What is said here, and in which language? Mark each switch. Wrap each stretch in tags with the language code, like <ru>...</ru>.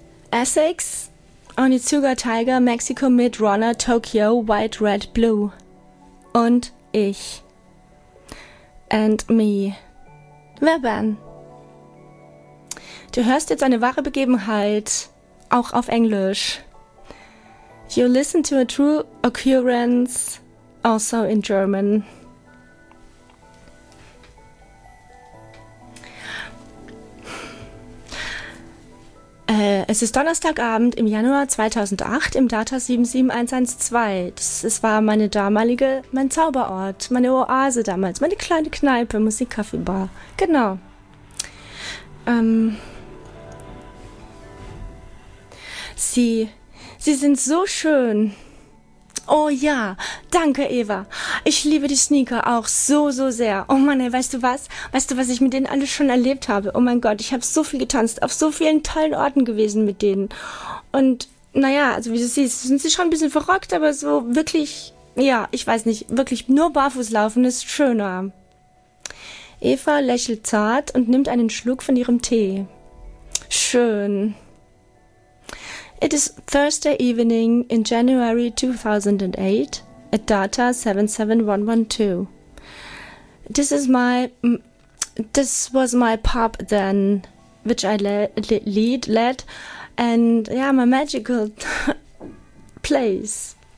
<en>Essex, Onitsuga Tiger, Mexico Mid Runner, Tokyo, White, Red, Blue.</en> <de>Und ich.</de> <en>And me.</en> <de>Wer bin? Du hörst jetzt eine wahre Begebenheit, auch auf Englisch. You listen to a true occurrence, also in German. Es ist Donnerstagabend im Januar 2008 im Data 77112. Das war meine damalige, mein Zauberort, meine Oase damals, meine kleine Kneipe, Musikkaffeebar. Genau. Sie sind so schön. Oh ja, danke Eva. Ich liebe die Sneaker auch so, so sehr. Oh Mann, ey, weißt du was? Weißt du, was ich mit denen alles schon erlebt habe? Oh mein Gott, ich habe so viel getanzt, auf so vielen tollen Orten gewesen mit denen. Und naja, also wie du siehst, sind sie schon ein bisschen verrockt, aber so wirklich, ja, ich weiß nicht, wirklich nur barfuß laufen ist schöner. Eva lächelt zart und nimmt einen Schluck von ihrem Tee. Schön.</de> <en>It is Thursday evening in January 2008 at Data 77112. This was my pub then, which I led, and yeah, my magical place.</en>